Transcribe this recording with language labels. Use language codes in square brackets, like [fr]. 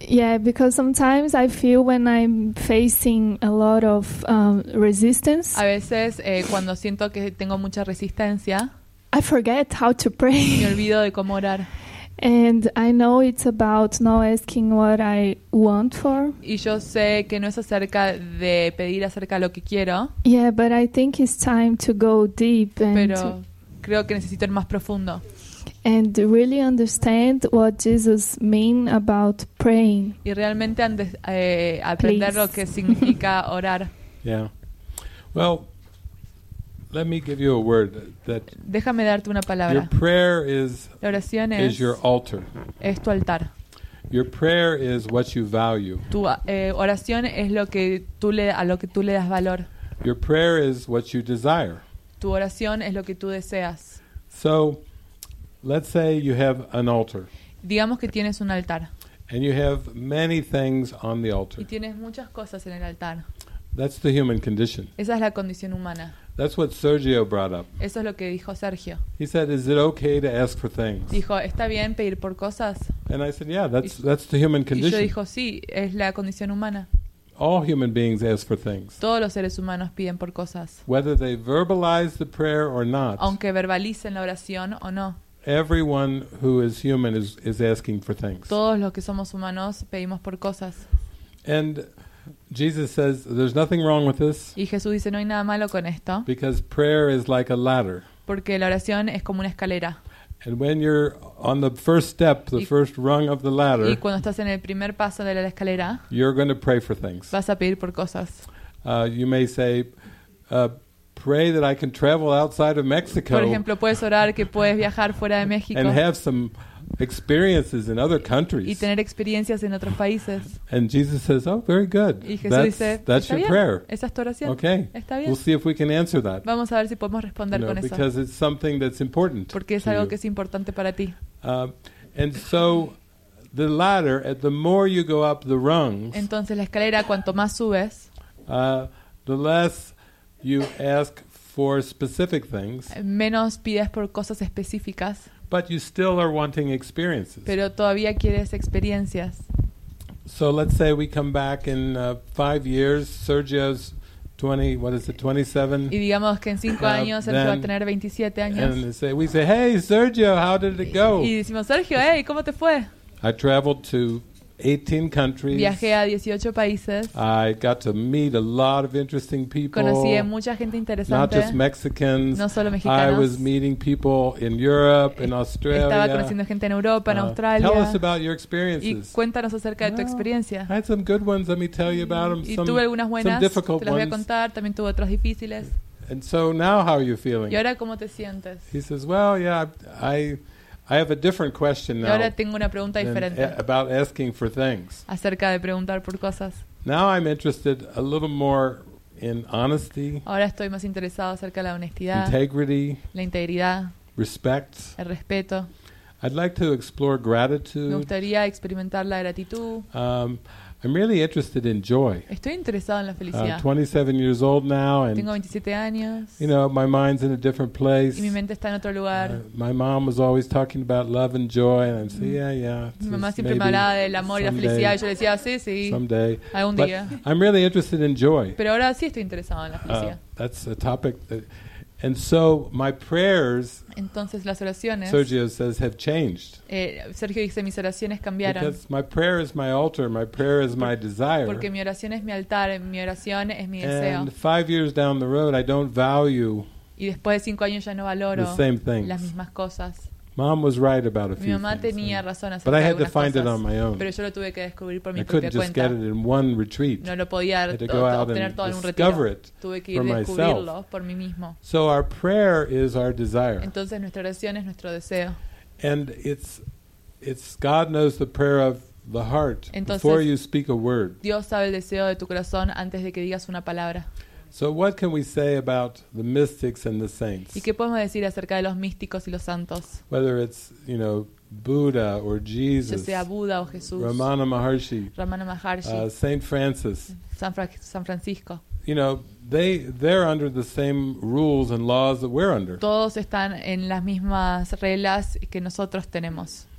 [en] Yeah, because sometimes I feel when I'm facing a lot of resistance. [es] A veces cuando siento que tengo mucha resistencia. [en] I forget how to pray. [es] Me olvido de cómo orar. [en] And I know it's about not asking what I want for. [es] Y yo sé que no es acerca de pedir acerca de lo que quiero. [en] Yeah, but I think it's time to go deep. [es] Pero creo que necesito ir más profundo. [en] And really understand what Jesus mean about praying. [es] Y realmente aprender lo que significa orar. [en] Yeah. Well, let me give you a word that. [es] Déjame darte una palabra. [en] Your prayer is. [es] La oración [en] es your altar. [es] Es tu altar. [en] Your prayer is what you value. [es] Tu oración es lo que tú le a lo que tú le das valor. [en] Your prayer is what you desire. [es] Tu oración es lo que tú deseas. [en] So, let's say you have an altar. [es] Digamos que tienes un altar. [en] And you have many things on the altar. [es] Y tienes muchas cosas en el altar. [en] That's the human condition. [es] Esa es la condición humana. [en] That's what Sergio brought up. [es] Eso es lo que dijo Sergio. [en] He said, "Is it okay to ask for things?" [es] Dijo, ¿está bien pedir por cosas? [en] And I said, "Yeah, that's the human condition." [es] Y yo dijo, "Sí, es la condición humana." [en] All human beings ask for things. [es] Todos los seres humanos piden por cosas. [en] Whether they verbalize the prayer or not. [es] Aunque verbalicen la oración o no. [en] Everyone who is human is asking for things. [es] Todos los que somos humanos pedimos por cosas. [en] And Jesus says there's nothing wrong with this. [es] Y Jesús dice no hay nada malo con esto. [en] Because prayer is like a ladder. [es] Porque la oración es como una escalera. [en] And when you're on the first step, the first rung of the ladder, [es] y cuando estás en el primer paso de la escalera, [en] you're going to pray for things. [es] Vas a pedir por cosas. [en] You may say, pray that I can travel outside of Mexico. [es] Por ejemplo, puedes orar que puedes viajar fuera de México. [en] And have some experiences in other countries. [es] Y tener experiencias en otros países. [en] And Jesus says, oh, very good. [es] Y Jesús dice, está bien. [en] That's your prayer. [es] Esa es tu oración. [en] Okay. [es] Está bien. [en] We'll see if we can answer that. [es] Vamos a ver si podemos responder con eso. [en] Because it's something that's important. [es] Porque es algo que es importante para ti. [en] And so the ladder, the more you go up the rungs. [es] Entonces la escalera, cuanto más subes, [en] The less you ask for specific things, [es] menos pides por cosas específicas, [en] but you still are wanting experiences. [es] Pero todavía quieres experiencias. [en] So let's say we come back in 5 years, Sergio's 27? [es] Y digamos que en 5 años él va a tener 27 años. [en] And we say, hey, Sergio, how did it go? [es] Y decimos, Sergio, hey, ¿cómo te fue? [en] I traveled to 18 countries. [es] Viajé a 18 países. [en] I got to meet a lot of interesting people. [es] Conocí a mucha gente interesante. [en] Not just Mexicans. [es] No solo mexicanos. [en] I was meeting people in Europe, in Australia. [es] Estaba conociendo gente en Europa, en Australia. [en] Tell us about your experiences. [es] Y cuéntanos acerca de tu experiencia. [en] I had some good ones. Let me tell you about them. [es] Y tuve algunas buenas. [en] Some difficult ones. [es] Te las voy a contar. También tuve otras difíciles. [en] And so now, how are you feeling? [es] ¿Y ahora cómo te sientes? [en] He says, "Well, yeah, I have a different question now. [es] Y ahora tengo una pregunta diferente. [en] About asking for things. [es] Acerca de preguntar por cosas. [en] Now I'm interested a little more in honesty. [es] Ahora estoy más interesado acerca de la honestidad. [en] Integrity. [es] La integridad. [en] Respect. [es] El respeto. [en] I'd like to explore gratitude. [es] Me gustaría experimentar la gratitud. [en] I'm really interested in joy. [es] Estoy interesado en la felicidad. [en] I'm 27 years old now, and [es] tengo 27 años. [en] You know, my mind's in a different place. [es] Y mi mente está en otro lugar. [en] My mom was always talking about love and joy, and I'd say, yeah. [es] Mi mamá siempre me hablaba del amor y la felicidad, y yo decía, sí. [en] Someday. [es] Algún [en] día. But I'm really interested in joy. [es] Pero ahora sí estoy interesado en la felicidad. [en] That's a topic that. And so my prayers, [es] entonces las oraciones, [en] Sergio says, have changed. [es] Sergio dice, mis oraciones cambiaron. [en] Because my prayer is my altar, my prayer is my desire. [es] Porque mi oración es mi altar, mi oración es mi deseo. [en] And 5 years down the road, I don't value. [es] Y después de 5 años ya no valoro [en] the same things. [es] Las mismas cosas. [en] Mom was right about a few things. [es] Mi mamá tenía razón acerca de algunas cosas. [en] But I had to find it on my own. [es] Pero yo lo tuve que descubrir por mi propia cuenta. [en] I couldn't just get it in one retreat. [es] No lo podía obtener todo en un retiro. Tuve que ir descubrirlo por mí mismo. [en] So our prayer is our desire. [es] Entonces nuestra oración es nuestro deseo. [en] And it's God knows the prayer of the heart. [es] Entonces, [en] before you speak a word. [es] Dios sabe el deseo de tu corazón antes de que digas una palabra. [en] So what can we say about the mystics and the saints? [es] ¿Y qué podemos decir acerca de los místicos y los santos? [en] Whether it's, you know, Buddha or Jesus. [es] Ya sea Buda o Jesús. [en] Ramana Maharshi. Saint Francis. [es] San Francisco. [en] You know, they're under the same rules and laws that we're under. [es] Todos están en las mismas reglas que nosotros tenemos.